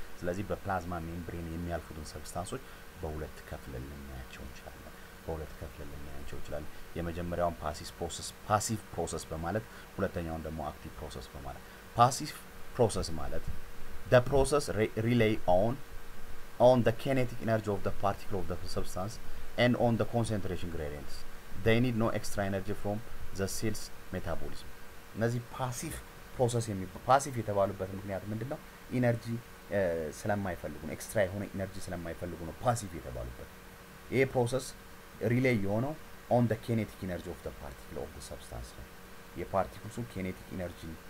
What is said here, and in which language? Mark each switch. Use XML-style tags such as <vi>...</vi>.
<am>ስለዚህ በፕላዝማ ሜምብሬን የሚያልፉትን ሰብስታንሶች በሁለት ከፍለን ልናያቸው እንችላለን የመጀመሪያውን ፓሲቭ ፕሮሰስ በማለት ሁለተኛውን ደግሞ አክቲቭ ፕሮሰስ በማለት። ፓሲቭ ፕሮሰስ ማለት</am> <en>the process rely on the kinetic energy of the particle of the substance and on the concentration gradients. They need no extra energy from the cell's metabolism.</en> <am>እነዚህ ፓሲቭ ፕሮሰስ የሚባሉ የተባሉበት ምክንያት ምንድነው? ኢነርጂ ስለማይፈልጉ ነው። ኤክስትራ የሆነ ኢነርጂ ስለማይፈልጉ ነው ፓሲቭ የተባሉበት። ይሄ ፕሮሰስ ሪሌይ የሆነው</am> <en>ኦን ዘ ኬኔቲክ ኢነርጂ ኦፍ ዘ ፓርቲክል ኦፍ ዘ ሰብስታንስ</en> <am>ነው። የፓርቲክሉ ኬኔቲክ ኢነርጂ</am>